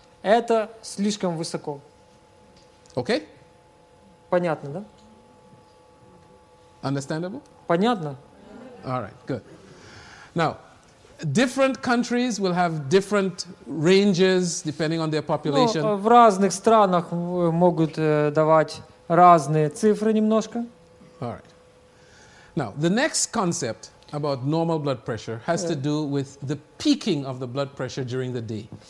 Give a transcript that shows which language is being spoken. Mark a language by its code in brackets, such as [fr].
[ru] Это слишком высоко. [en] Okay? [ru] Понятно, да? [en] Understandable? [ru] Понятно. [en] All right, good. Now, different countries will have different ranges depending on their population. [ru] В разных странах могут давать разные цифры немножко. [en] All right. Now, the next concept about normal blood pressure has to do with the peaking of the blood pressure during the day.